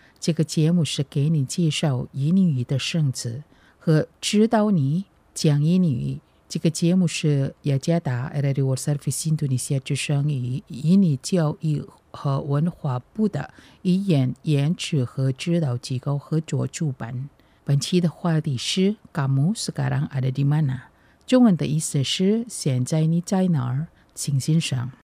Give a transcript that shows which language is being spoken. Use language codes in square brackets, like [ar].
[zh] 这个节目是给你介绍印尼语的圣旨和指导你讲印尼语。这个节目是雅加达 Radio Service Indonesia 之声与印尼教育和文化部的语言研制和指导机构合作出版。本期的话题是 [id] Kamu sekarang ada di mana？ [zh] 中文的意思是现在你在哪儿，请欣赏。